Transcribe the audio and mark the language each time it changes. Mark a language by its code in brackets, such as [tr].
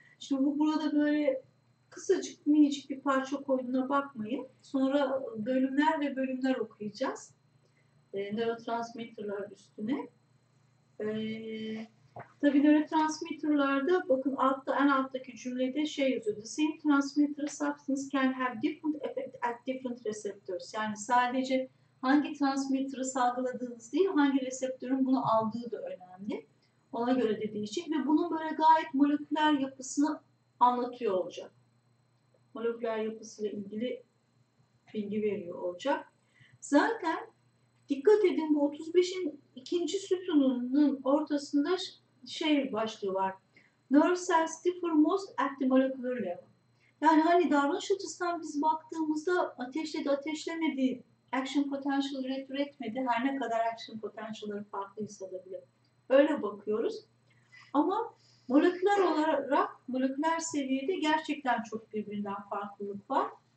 [tr] Şimdi bu burada böyle kısacık minicik bir parça koyduğuna bakmayın. Sonra bölümler ve bölümler okuyacağız. Nörotransmitterlar üstüne. Tabii nörotransmitterlarda bakın altta, en alttaki cümlede şey yazıyor. [en] The same transmitter substance can have different effect at different receptors. [tr] Yani sadece hangi transmitter'ı salgıladığınız değil, hangi reseptörün bunu aldığı da önemli. Ona göre de değişecek. Ve bunun böyle gayet moleküler yapısını anlatıyor olacak. Moleküler yapısıyla ilgili bilgi veriyor olacak. Zaten dikkat edin, bu 35'in ikinci sütununun ortasında şey başlığı var. [en] Nerve cells differ most at the molecular level. [tr] Yani hani davranış açısından biz baktığımızda ateşledi, ateşlemedi, action potential üretmedi, her ne kadar action potentialları farklıysa da bile. Öyle bakıyoruz. Ama moleküler olarak, moleküler seviyede gerçekten çok birbirinden farklılık var.